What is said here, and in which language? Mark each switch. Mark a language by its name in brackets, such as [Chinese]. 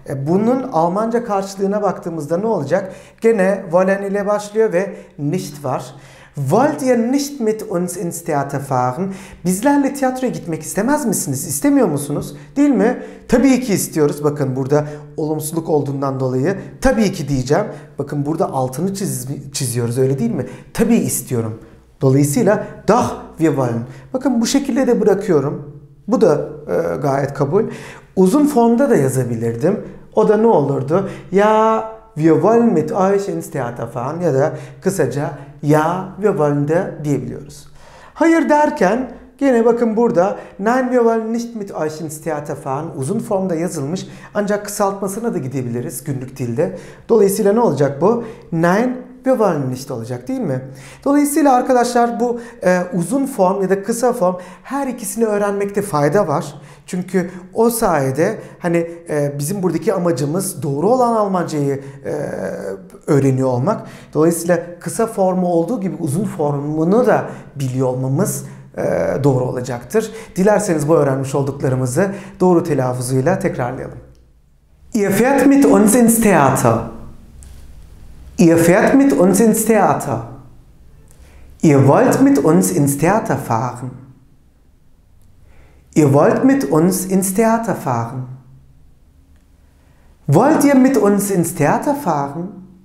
[Turkish] Bunun Almanca karşılığına baktığımızda ne olacak? Gene wollen ile başlıyor ve nicht var. [German] Wollt ihr nicht mit uns ins Theater fahren? [Turkish] Bizlerle tiyatroya gitmek istemez misiniz? İstemiyor musunuz? Değil mi? Tabii ki istiyoruz. Bakın burada olumsuzluk olduğundan dolayı tabii ki diyeceğim. Bakın burada altını çiziyoruz öyle değil mi? Tabii istiyorum. Dolayısıyla [German] doch wir wollen. [Turkish] Bakın bu şekilde de bırakıyorum. Bu da gayet kabul. Uzun formda da yazabilirdim. O da ne olurdu? [German] Ja, wir wollen mit euch ins Theater fahren. [Turkish] Ja da kısaca ya ve wollen de diyebiliyoruz. Hayır derken gene bakın burada [German] nein wir wollen nicht mit euch ins Theater fahren [Turkish] uzun formda yazılmış ancak kısaltmasına da gidebiliriz günlük dilde. Dolayısıyla ne olacak bu? [German] Nein wir wollen nicht [Turkish] olacak değil mi? Dolayısıyla arkadaşlar bu uzun form ya da kısa form her ikisini öğrenmekte fayda var. Çünkü o sayede hani bizim buradaki amacımız doğru olan Almancayı öğreniyor olmak. Dolayısıyla kısa formu olduğu gibi uzun formunu da biliyor olmamız doğru olacaktır. Dilerseniz bu öğrenmiş olduklarımızı doğru telaffuzuyla tekrarlayalım. [German] Ihr fährt mit uns ins Theater. Ihr fährt mit uns ins Theater. Ihr wollt mit uns ins Theater fahren. Ihr wollt mit uns ins Theater fahren. Wollt ihr mit uns ins Theater fahren?